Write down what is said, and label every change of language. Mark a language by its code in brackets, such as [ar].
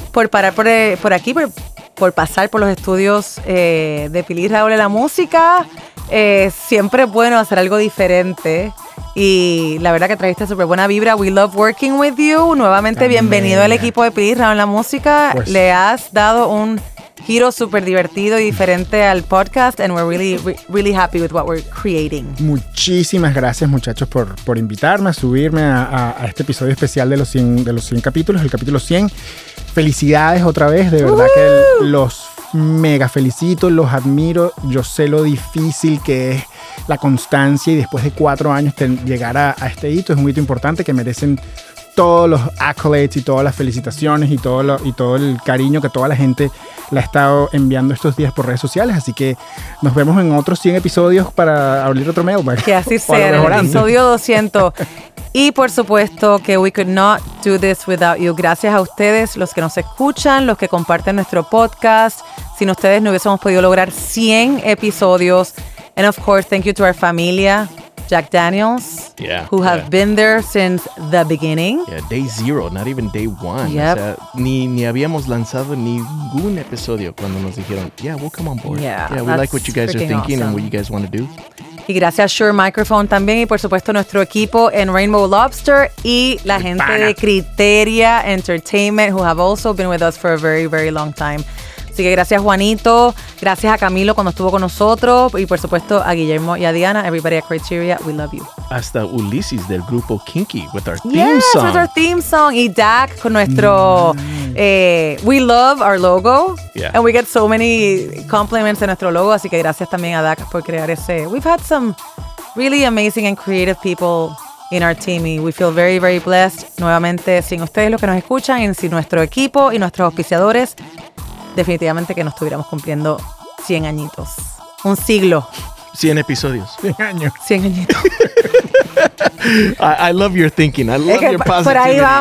[es] por parar por aquí, por pasar por los estudios de Pili y Raúl en la música. Siempre es bueno hacer algo diferente. Y la verdad que trajiste súper buena vibra. [en] We love working with you. [es] Nuevamente, también. Bienvenido al equipo de Pili y Raúl en la música. Pues. Le has dado un giro súper divertido y diferente al podcast, [en] and we're really, really happy with what we're creating. [es] Muchísimas gracias, muchachos, por invitarme a subirme a este episodio especial de los 100 capítulos, el capítulo 100. Felicidades otra vez, de verdad que los mega felicito, los admiro. Yo sé lo difícil que es la constancia y después de 4 años llegar a este hito. Es un hito importante que merecen todos los accolades y todas las felicitaciones y todo el cariño que toda la gente le ha estado enviando estos días por redes sociales. Así que nos vemos en otros 100 episodios para abrir otro mailbag. Que así sea, episodio 200. Y por supuesto que [en] we could not do this without you. [es] Gracias a ustedes, los que nos escuchan, los que comparten nuestro podcast. Sin ustedes no hubiésemos podido lograr 100 episodios. [en] And of course, thank you to our familia. Jack Daniels, yeah, who have been there since the beginning. Yeah, day zero, not even day one. Yep. [es] O sea, ni habíamos lanzado ningún episodio cuando nos dijeron, [en] yeah, we'll come on board. Yeah, yeah, we like what you guys are thinking awesome. And what you guys want to do. [es] Y gracias Shure Microphone también y por supuesto nuestro equipo en Rainbow Lobster y la gente de Criteria Entertainment, [en] who have also been with us for a very, very long time. [es] Así que gracias Juanito, gracias a Camilo cuando estuvo con nosotros y por supuesto a Guillermo y a Diana. [en] Everybody at Criteria, we love you. [es] Hasta Ulises del grupo Kinky [en] with our yes, theme song. Yes, with our theme song. [es] Y Dak con nuestro, [en] we love our logo. Yeah. And we get so many compliments [es] de nuestro logo. Así que gracias también a Dak por crear ese. We've had some really amazing and creative people in our team y we feel very, very blessed. Nuevamente, sin ustedes los que nos escuchan y sin nuestro equipo y nuestros auspiciadores, definitivamente que no estuviéramos cumpliendo 100 añitos. Un siglo. 100 episodios. 100 años. 100 añitos. [en] I love your thinking. I love [es] es que [en] your positivity.